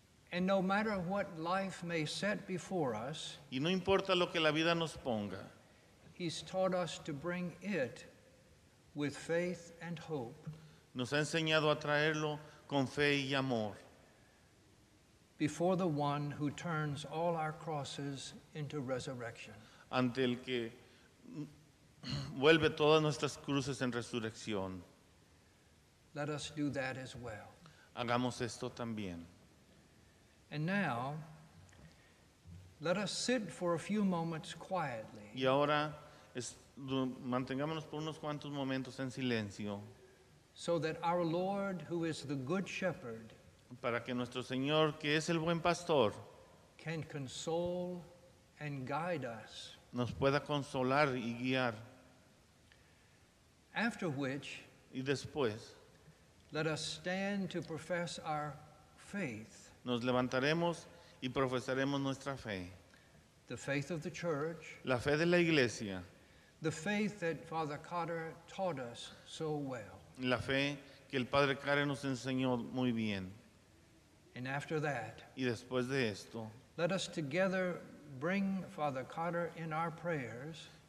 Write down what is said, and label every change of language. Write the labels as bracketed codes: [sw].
[en] And no matter what life may set before us. [es] Y no importa lo que la vida nos ponga. [en] He's taught us to bring it with faith and hope. [es] Nos ha enseñado a traerlo con fe y amor. [en] Before the one who turns all our crosses into resurrection. [es] Ante el que vuelve todas nuestras cruces en resurrección. [en] Let us do that as well. [es] Hagamos esto también. [en] And now, let us sit for a few moments quietly. [es] Y ahora, mantengámonos por unos cuantos momentos en silencio. [en] So that our Lord, who is the good shepherd, [es] para que nuestro Señor, que es el buen pastor, [en] can console and guide us. [es] Nos pueda consolar y guiar. [en] After which, [es] y después, [en] let us stand to profess our faith. [es] Nos levantaremos y profesaremos nuestra fe. [en] The faith of the church. [es] La fe de la iglesia. [en] The faith that Father Carter taught us so well. [es] La fe que el Padre Karen nos enseñó muy bien. [en] And after that, [es] y después de esto, [en] let us together bring Father Carter in our prayers.